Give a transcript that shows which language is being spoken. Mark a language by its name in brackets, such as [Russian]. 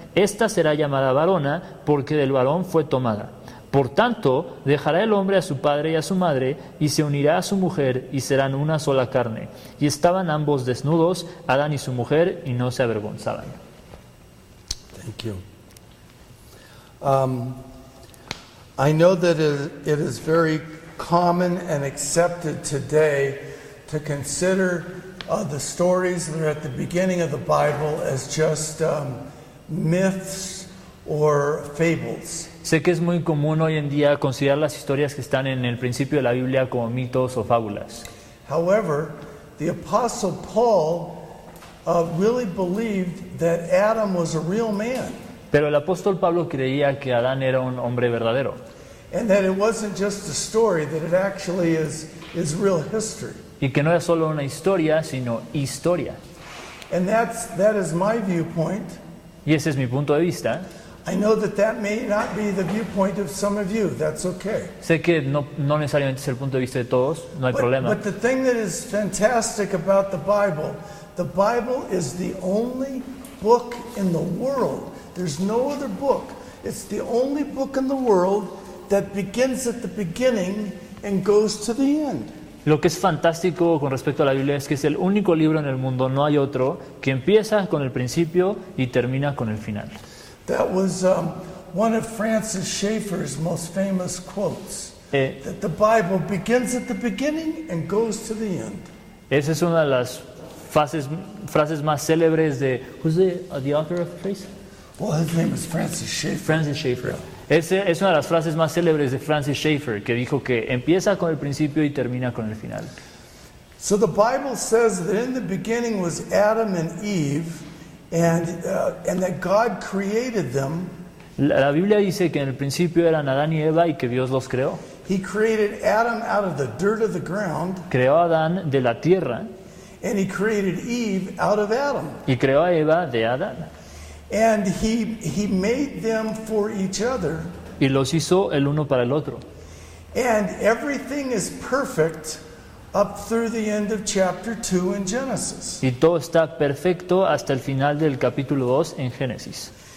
[Spanish] Esta será llamada varona, porque del varón fue tomada. Por tanto, dejará el hombre a su padre y a su madre, y se unirá a su mujer, y serán una sola carne. Y estaban ambos desnudos, Adán y su mujer, y no se avergonzaban. [English] Thank you. I know that it is very common and accepted today to consider the stories that are at the beginning of the Bible as just myths or fables. [Spanish] Sé que es muy común hoy en día considerar las historias que están en el principio de la Biblia como mitos o fábulas. [English] However, the Apostle Paul really believed that Adam was a real man. [Spanish] Pero el apóstol Pablo creía que Adán era un hombre verdadero. [English] And that it wasn't just a story, that it actually is real history. [Spanish] Y que no era solo una historia, sino historia. [English] And that is my viewpoint. [Spanish] Y ese es mi punto de vista. [English] I know that may not be the viewpoint of some of you. That's okay. [Spanish] Sé que no necesariamente es el punto de vista de todos, no hay problema. [English] But the thing that is fantastic about the Bible is the only book in the world. There's no other book. It's the only book in the world that begins at the beginning and goes to the end. [Spanish] Lo que es fantástico con respecto a la Biblia es que es el único libro en el mundo, no hay otro, que empieza con el principio y termina con el final. [English] That was one of Francis Schaeffer's most famous quotes. That the Bible begins at the beginning and goes to the end. [Spanish] Esa es una de las frases más célebres de [English] who's the author of Trace? Well, his name is Francis Schaeffer. Francis Schaeffer. Yeah. [Spanish] Esa es una de las frases más célebres de Francis Schaeffer, que dijo que empieza con el principio y termina con el final. [English] So the Bible says that in the beginning was Adam and Eve, and that God created them. [Spanish] La Biblia dice que en el principio eran Adán y Eva y que Dios los creó. [English] He created Adam out of the dirt of the ground. [Spanish] Creó a Adán de la tierra. [English] And he created Eve out of Adam. [Spanish] Y creó a Eva de Adán. [English] And he made them for each other. [Spanish] Y los hizo el uno para el otro. [English] And everything is perfect up through the end of chapter 2 in Genesis. [Spanish] Y todo está perfecto hasta el final del capítulo 2 en Génesis.